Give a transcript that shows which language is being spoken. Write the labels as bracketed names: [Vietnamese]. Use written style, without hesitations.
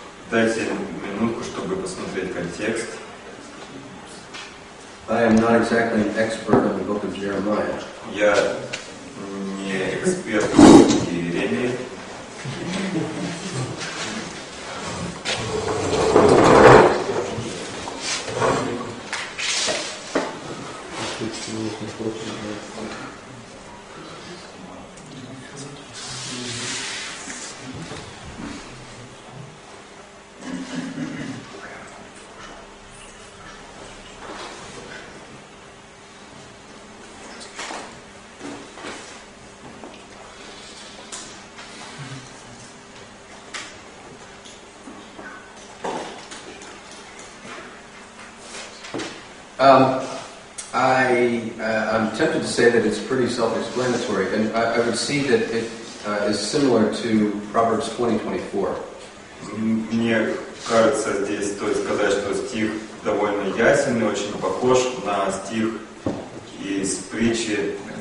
[Russian] Дайте минутку, чтобы посмотреть контекст. [English] I am not exactly an expert on the book of Jeremiah. [Russian] Я не эксперт в Иеремии. [English] I'm tempted to say that it's pretty self-explanatory, and I would see that it is similar to Proverbs 20:24. [Russian] Мне кажется здесь стоит сказать, что стих довольно ясен и очень похож на стих из притчи